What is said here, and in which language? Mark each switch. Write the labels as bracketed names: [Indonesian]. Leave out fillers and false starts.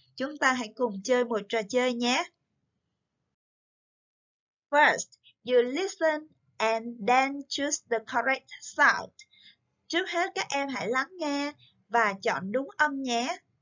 [Vietnamese] Chúng ta hãy cùng chơi một trò chơi nhé. [English] First, you listen and then choose the correct sound. [Vietnamese] Trước hết các em hãy lắng nghe và chọn đúng âm nhé.